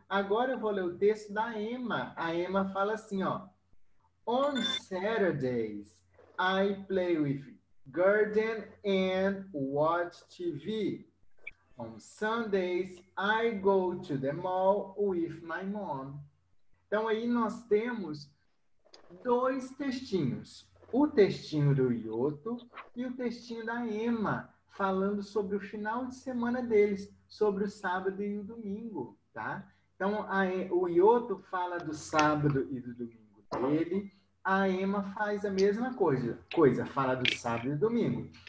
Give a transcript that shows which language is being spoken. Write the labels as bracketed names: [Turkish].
[Portuguese] Agora eu vou ler o texto da Emma. A Emma fala assim, ó. [English] On Saturdays, I play with garden and watch TV. On Sundays, I go to the mall with my mom. [Portuguese] Então aí nós temos... dois textinhos, o textinho do Yoto e o textinho da Emma, falando sobre o final de semana deles, sobre o sábado e o domingo, tá? Então, o Yoto fala do sábado e do domingo dele, a Emma faz a mesma coisa, fala do sábado e domingo.